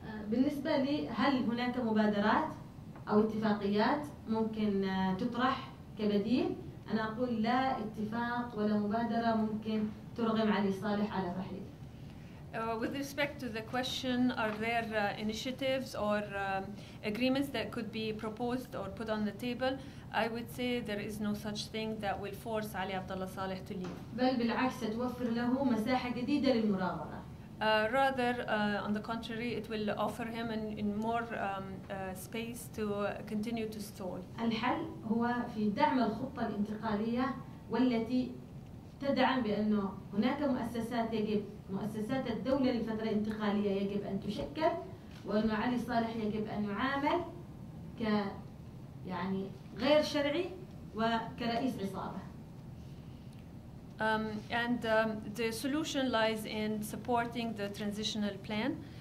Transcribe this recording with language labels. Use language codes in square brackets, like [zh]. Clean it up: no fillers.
[ar] بالنسبة لي هل هناك مبادرات أو اتفاقيات ممكن تطرح كبديل؟ أنا أقول لا اتفاق ولا مبادرة ممكن ترغم علي صالح على الرحيل. [en] With respect to the question, are there initiatives or agreements that could be proposed or put on the table? I would say there is no such thing that will force Ali Abdullah Saleh to leave. [ar] بل بالعكس توفر له مساحة جديدة للمراغمة. [en] Rather, on the contrary, it will offer him in more space to continue to stall. [ar] الحل هو في دعم الخطة الانتقالية والتي تدعم بأنه هناك مؤسسات يجب مؤسسات الدولة لفترة انتقالية يجب أن تشكل وأن علي صالح يجب أن يعامل ك يعني غير شرعي وكرئيس عصابة. [en] And the solution lies in supporting the transitional plan